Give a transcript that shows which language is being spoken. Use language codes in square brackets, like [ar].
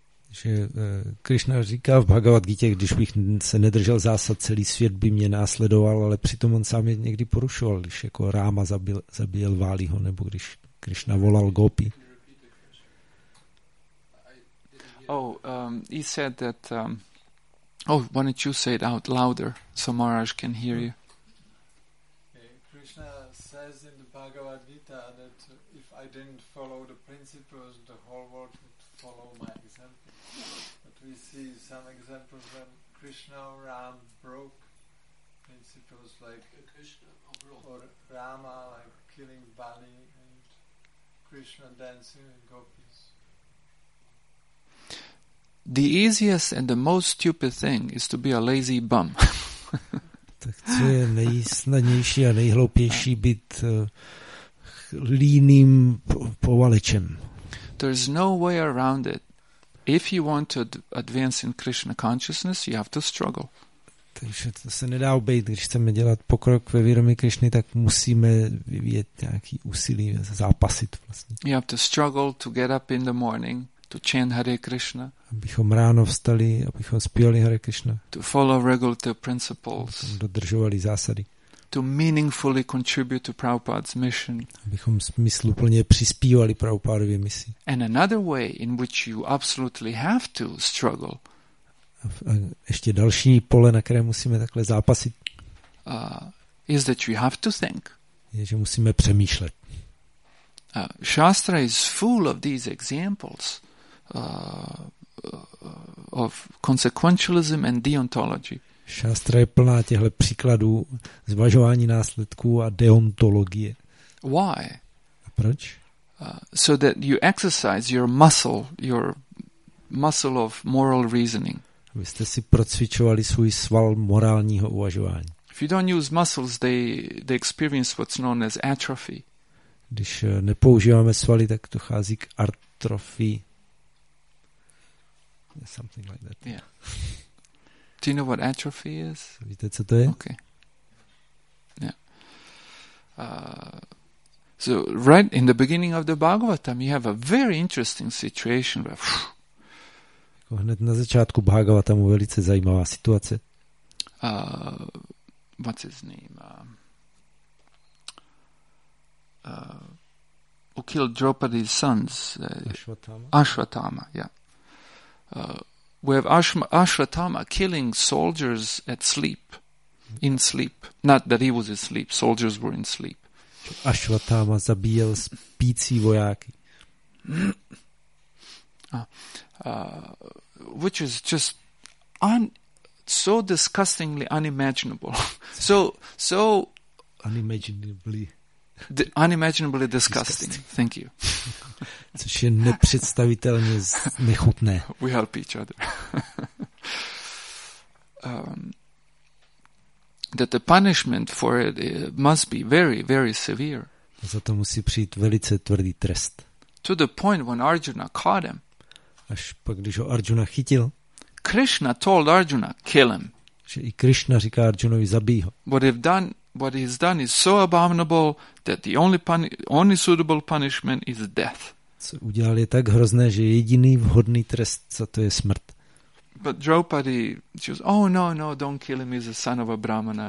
[cs] Že Krishna říká v Bhagavad Gita, když bych se nedržel zásad, celý svět by mě následoval, ale přitom on sám je někdy porušoval, když jako Ráma zabíjel Váliho, nebo když Krishna volal Gopi. [en] He said that why don't you say it out louder so Maharaj can hear you. Krishna says in the Bhagavad Gita that if I didn't follow the principles, the whole world would follow my example. But we see some examples when Krishna or Ram broke principles like Krishna or Rama like killing Bali and Krishna dancing with gopis. The easiest and the most stupid thing is to be a lazy bum. [cs] Tak co je nejsnadnější a nejhloupější být líným povalečem. [en] There is no way around it. If you want to advance in Krishna consciousness, you have to struggle. [cs] Takže to se nedá obejít, když chceme dělat pokrok ve vědomí Krishny, tak musíme vyvíjet nějaký úsilí, zápasit vlastně. [en] You have to struggle to get up in the morning to chant Hare Krishna. [cs] Abychom ráno vstali, abychom zpívali Hare Krishna. [en] To follow regular principles. [cs] Dodržovali zásady. [en] To meaningfully contribute to Prabhupada's mission. [cs] Abychom smysluplně přispívali Prabhupádově misi. [en] And another way in which you absolutely have to struggle. [cs] A ještě další pole, na které musíme takhle zápasit. [en] Is that you have to think. [cs] Je, že musíme přemýšlet. [en] Shastra is full of these examples of consequentialism and deontology. [cs] Shastra je plná těchto příkladů zvažování následků a deontologie. [en] Why? [cs] A proč? [en] So that you exercise your muscle of moral reasoning. [cs] Abyste si procvičovali svůj sval morálního uvažování. [en] If you don't use muscles, they experience what's known as atrophy. [cs] Když nepoužíváme svaly, tak dochází k artrofii. [en] Something like that. Yeah. Do you know what atrophy is? [cs] Víte, co to je? [en] Okay. Yeah. So right in the beginning of the Bhagavatam, you have a very interesting situation. [cs] Jako hned na začátku Bhagavatamu velice zajímavá situace. [en] What's his name? Who killed Draupadi's sons? Ashwatthama. Yeah. We have Ashwatthama killing soldiers in sleep. Not that he was asleep. Soldiers were in sleep. [cs] Ashwatthama zabíjel spící vojáky. [en] Which is just so disgustingly unimaginable. So unimaginably. Unimaginably disgusting. Thank you. [cs] Což je nepředstavitelně nechutné. [en] We help each other. That the punishment for it must be very, very severe. [cs] Za to musí přijít velice tvrdý trest. [en] To the point when Arjuna caught him. [cs] Až pak, když ho Arjuna chytil. [en] Krishna told Arjuna, kill him. [cs] Že i Krishna říká Arjunovi, zabij ho. [en] What he's done is so abominable that the only suitable punishment is death. [cs] Co udělal je tak hrozné, že jediný vhodný trest za to je smrt. [en] But Draupadi, she goes, oh no, don't kill him, he's a son of a brahmana.